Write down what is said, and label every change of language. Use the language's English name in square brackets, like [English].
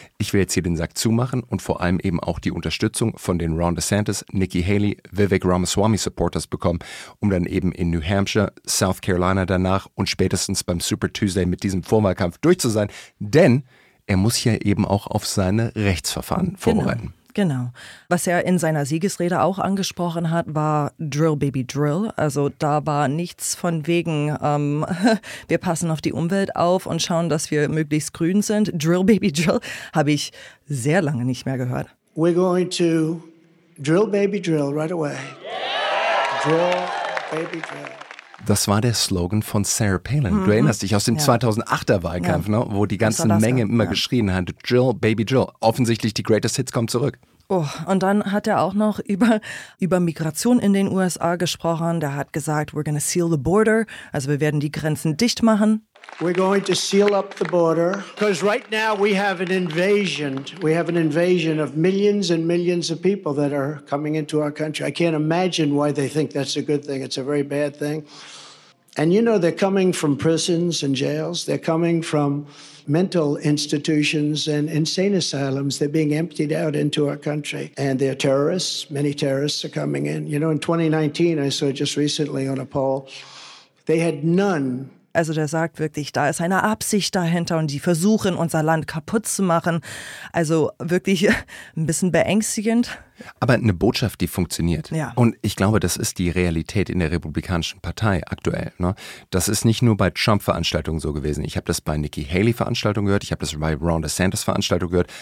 [German] Ich will jetzt hier den Sack zumachen und vor allem eben auch die Unterstützung von den Ron DeSantis, Nikki Haley, Vivek Ramaswamy Supporters bekommen, um dann eben in New Hampshire, South Carolina danach und spätestens beim Super Tuesday mit diesem Vorwahlkampf durch zu sein, denn er muss ja eben auch auf seine Rechtsverfahren vorbereiten. Genau. Was er in seiner Siegesrede auch angesprochen hat, war Drill Baby Drill. Also da war nichts von wegen, wir passen auf die Umwelt auf und schauen, dass wir möglichst grün sind. Drill Baby Drill habe ich sehr lange nicht mehr gehört. [English] We're going to Drill Baby Drill right away. Drill Baby Drill. [German] Das war der Slogan von Sarah Palin. Du erinnerst dich aus dem 2008er Wahlkampf, ne, wo die ganze Menge immer geschrien hat, Drill, Baby Drill. Offensichtlich die Greatest Hits kommen zurück. Oh, und dann hat er auch noch über Migration in den USA gesprochen. Der hat gesagt, [English] we're going to seal the border. [German] Also wir werden die Grenzen dicht machen. [English] We're going to seal up the border. Because right now we have an invasion. We have an invasion of millions and millions of people that are coming into our country. I can't imagine why they think that's a good thing. It's a very bad thing. And you know, they're coming from prisons and jails. They're coming from mental institutions and insane asylums. They're being emptied out into our country. And they're terrorists. Many terrorists are coming in. You know, in 2019, I saw just recently on a poll, they had none. [German] Also der sagt wirklich, da ist eine Absicht dahinter und die versuchen, unser Land kaputt zu machen. Also wirklich ein bisschen beängstigend. Aber eine Botschaft, die funktioniert. Ja. Und ich glaube, das ist die Realität in der Republikanischen Partei aktuell. Ne? Das ist nicht nur bei Trump-Veranstaltungen so gewesen. Ich habe das bei Nikki Haley-Veranstaltungen gehört, ich habe das bei Ron DeSantis-Veranstaltungen gehört.